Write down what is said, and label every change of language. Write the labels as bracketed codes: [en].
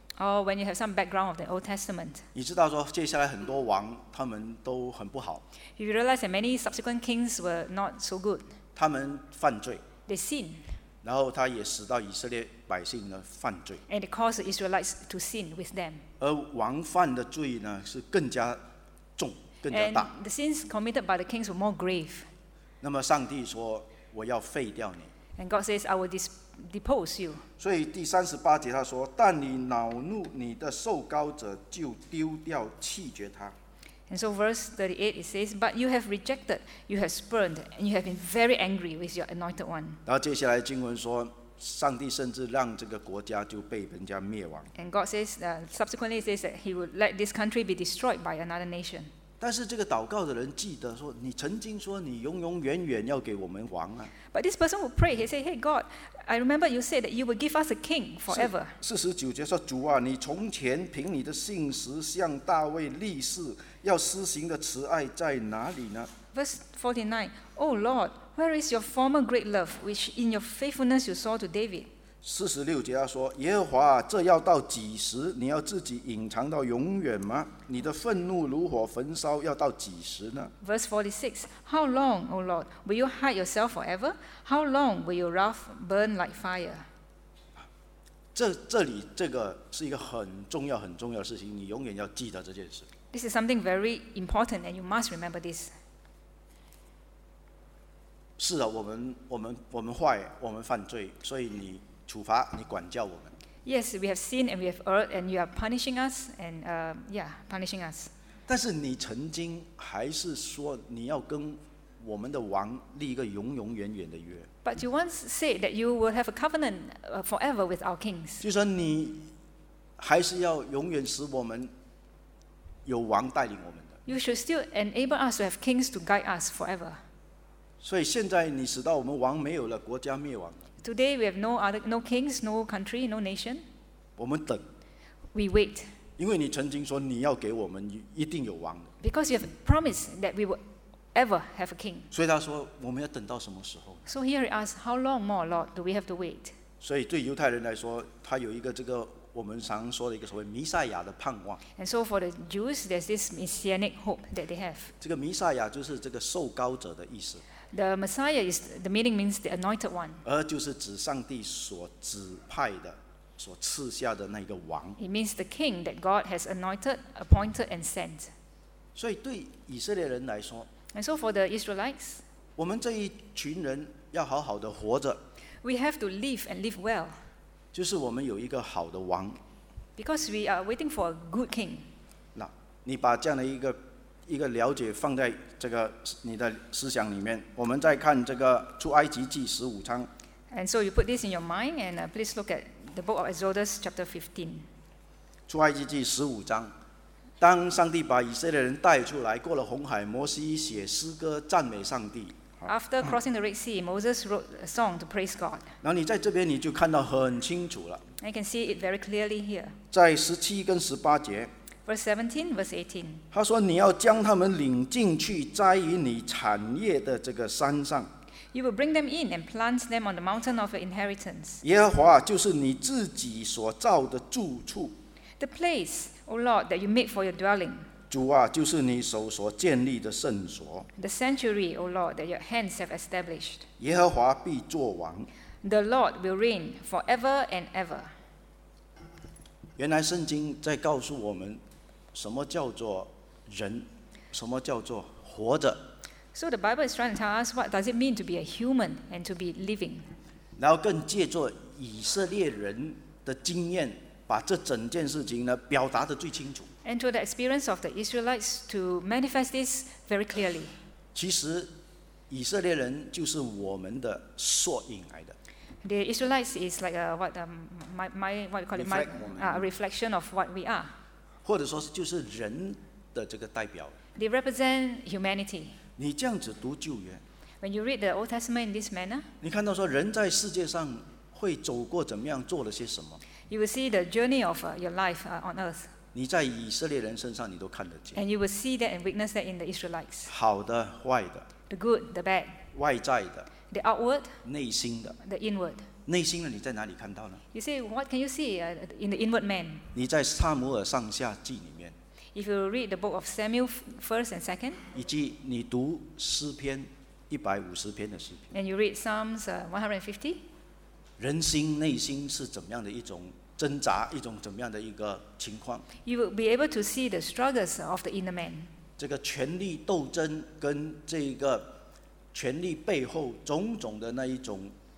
[en] Or when you have some background of the Old Testament, [zh] 你知道说接下来很多王他们都很不好。 [en] You realize that many subsequent kings were not so good. [zh] 他们犯罪。 [en] They sin. [zh] 然后他也使到以色列百姓呢犯罪。 [en] And it caused Israelites to sin with them. [zh] 而王犯的罪呢是更加重、更加大。 [en] And the sins committed by the kings were more grave. [zh] 那么上帝说：“我要废掉你。 [en] ”And God says, "I will depose you." [zh] 所以第三十八节他说：“但你恼怒你的受膏者，就丢掉弃绝他。 [en] ”And so verse 38 it says, "But you have rejected, you have spurned, and you have been very angry with your anointed one." [zh] 然后接下来经文说，上帝甚至让这个国家就被人家灭亡。 [en] And God says, subsequently says that He would let this country be destroyed by another nation. [zh] 但是这个祷告的人记得说，你曾经说你永永远远要给我们王啊。 [en] But this person will pray. He say, "Hey God, I remember you said that you will give us a king forever." [zh] 49节说，主啊，你从前凭你的信实向大卫立誓要施行的慈爱在哪里呢？ [en] Verse 49. Oh Lord, where is your former great love, which in your faithfulness you saw to David? [zh] 46节他说，耶和华，这要到几时？你要自己隐藏到永远吗？你的愤怒如火焚烧，要到几时呢？ [en] Verse 46. How long, O Lord, will you hide yourself forever? How long will your wrath burn like fire? [zh] 这里这个是一个很重要很重要的事情，你永远要记得这件事。 [en] This is something very important, and you must remember this. [zh] 是的，我们坏，我们犯罪，所以你处罚，你管教我们。 [en] Yes, we have sinned and we have erred, and you are punishing us, and punishing us. [zh] 但是你曾经还是说你要跟我们的王立一个永永远远的约。 [en] But you once said that you will have a covenant forever with our kings. [zh] 就说你还是要永远使我们有王带领我们的。 [en] You should still enable us to have kings to guide us forever. [zh] 所以现在你使到我们王没有了，国家灭亡。 [en] Today we have no kings, no country, no nation. [zh] 我们等。 [en] We wait. [zh] 因为你曾经说你要给我们一定有王的。 [en] Because you have promised that we will ever have a king. [zh] 所以他说我们要等到什么时候？ [en] So here he asks, how long more, Lord, do we have to wait? [zh] 所以对犹太人来说，他有一个这个我们常说的一个所谓弥赛亚的盼望。 [en] And so for the Jews, there's this messianic hope that they have. [zh] 这个弥赛亚就是这个受膏者的意思。 [en] The Messiah is the meaning means the anointed one. [zh] 而就是指上帝所指派的、所赐下的那个王。 [en] It means the king that God has anointed, appointed, and sent. [zh] 所以对以色列人来说 [en] ，And so for the Israelites, [zh] 我们这一群人要好好的活着。 [en] We have to live and live well. [zh] 就是我们有一个好的王。 [en] Because we are waiting for a good king. [zh] 那，你把这样的一个了解放在这个你的思想里面，我们再看这个出埃及记十五章。 [en] And so you put this in your mind, and please look at the book of Exodus, chapter 15. [zh] 出埃及记十五章，当上帝把以色列人带出来，过了红海，摩西写诗歌赞美上帝。 [en] After crossing the Red Sea, Moses wrote a song to praise God. [zh] 然后你在这边你就看到很清楚了。 [en] I can see it very clearly here. [zh] 在十七跟十八节。 [en] Verse 17, verse 18. [zh] 他说：“你要将他们领进去，栽于你产业的这个山上。” [en] You will bring them in and plant them on the mountain of your inheritance. [zh] 耶和华就是你自己所造的住处。 [en] The place, O Lord, that you made for your dwelling. [zh] 主啊，就是你手所建立的圣所。 [en] The sanctuary, O Lord, that your hands have established. [zh] 耶和华必作王。 [en] The Lord will reign forever and ever. [zh] 原来圣经在告诉我们。什么叫做人？什么叫做活着 [en] ？So the Bible is trying to tell us what does it mean to be a human and to be living. [zh] 然后更借助以色列人的经验，把这整件事情呢表达得最清楚。 [en] And through the experience of the Israelites to manifest this very clearly. [zh] 其实以色列人就是我们的缩影来的。 [en] The Israelites is like a what my what you call it my reflection of what we are. [zh] 或者说就是人的这个代表。 [en] They represent humanity. [zh] 你这样子读旧约。 [en] When you read the Old Testament in this manner. [zh] 你看到说人在世界上会走过怎么样，做了些什么。 [en] You will see the journey of your life on earth. [zh] 你在以色列人身上你都看得见。 [en] And you will see that and witness that in the Israelites. [zh] 好的，坏的。 [en] The good, the bad. [zh] 外在的。 [en] The outward. [zh] 内心的。 [en] The inward. [zh] 内心的你在哪里看到呢 [en] ？You say what can you see in the inward man？ [zh] 你在撒母耳上下记里面。 [en] If you read the book of Samuel first and second， [zh] 以及你读诗篇一百五十篇的诗篇。 [en] And you read Psalms 150。 [zh] 人心内心是怎么样的一种挣扎，一种怎么样的一个情况 [en] ？You will be able to see the struggles of the inner man。 [zh] 这个权力斗争跟这个权力背后种种的那一种。